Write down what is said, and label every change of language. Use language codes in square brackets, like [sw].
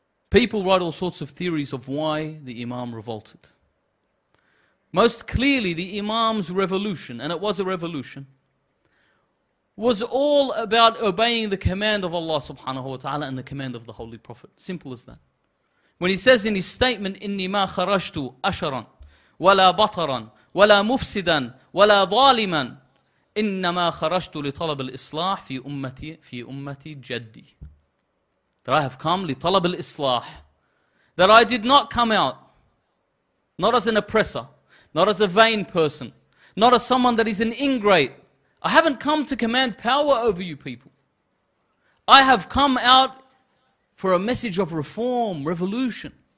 [en] People write all sorts of theories of why the Imam revolted. Most clearly, the Imam's revolution, and it was a revolution, was all about obeying the command of Allah subhanahu wa ta'ala and the command of the Holy Prophet. Simple as that. When he says in his statement, [ar] إِنِّي مَا خَرَجْتُ أَشَرًا وَلَا بَطَرًا وَلَا مُفْسِدًا وَلَا ظَالِمًا إِنَّمَا خَرَجْتُ لِطَلَبِ الْإِصْلَاحِ فِي أُمَّتِي جَدِّي. [en] That I have come [ar] لِطَلَبِ الْإِصْلَاحِ. [en] That I did not come out, not as an oppressor, not as a vain person, not as someone that is an ingrate. I haven't come to command power over you people. I have come out for a message of reform, revolution.